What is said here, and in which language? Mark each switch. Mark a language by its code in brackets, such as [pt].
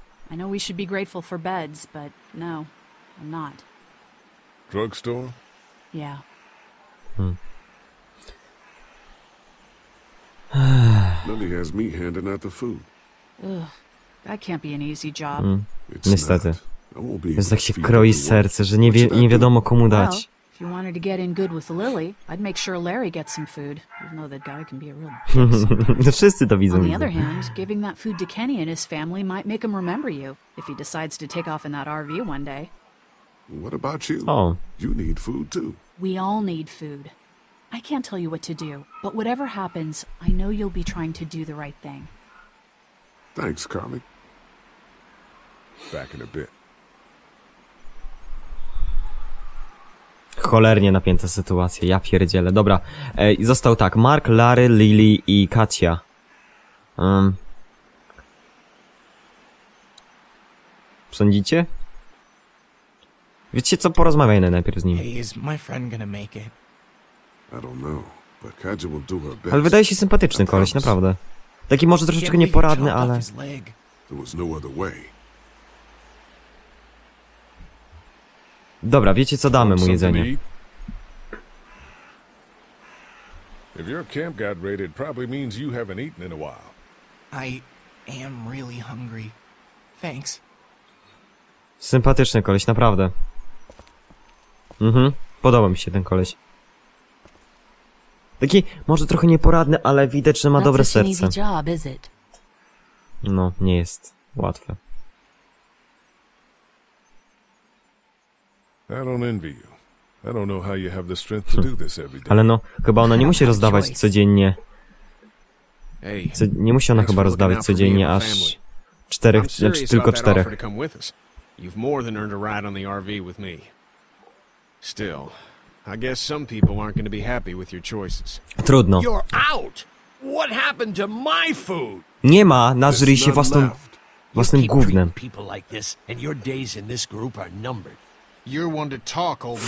[en] I know we should be grateful for beds, but no, I'm not. Drugstore? Yeah. Lily has me handing out the food. Ugh, that can't be an easy job. [pl] Niestety. Więc tak się kroi serce, że nie wiadomo komu dać. [en] Well, if you wanted to get in good with Lily, I'd make sure Larry gets some food, even though that guy can be a real... [pl] Wszyscy to widzą. [en] On the other hand, giving that food to Kenny and his family might make him remember you, if he decides to take off in that RV one day. What about you? Oh. You need food too. We all need food. I can't tell you what to do, but whatever happens, I know you'll be trying to do the right thing. Thanks, Carly. Back in a bit. [pl] Cholernie napięta sytuacja, ja pierdzielę. Dobra, został tak, Mark, Larry, Lily i Katia. Sądzicie? Wiecie co, porozmawiaj najpierw z nim. [en] Hey, is my friend gonna make it? I don't know, but Katia will do her best. [pl] Ale wydaje się sympatyczny koleś, naprawdę. Taki może troszeczkę nieporadny, ale... [en] There was no other way. [pl] Dobra, wiecie co, damy mu jedzenie. [en] If your camp got raided, probably means you haven't eaten in a while. I am really hungry. Thanks. [pl] Sympatyczny koleś, naprawdę. Mhm, podoba mi się ten koleś. Taki może trochę nieporadny, ale widać, że ma dobre serce. No, nie jest łatwe. [en] I don't envy you. I don't know how you have the strength to do this every day. [pl] Ale no, chyba ona nie musi rozdawać codziennie. [en] Hey, [pl] nie musi ona chyba rozdawać codziennie aż czterech, znaczy tylko czterech. [en] You've more than earned a ride on the RV with me. Still, I guess some people aren't going to be happy with your choices. [pl] Trudno. [en] You're out. What happened to my food? [pl] Nie ma, nażryj się własnym gównem. [en] People like this and your days in this group are numbered. You're one to talk, old man.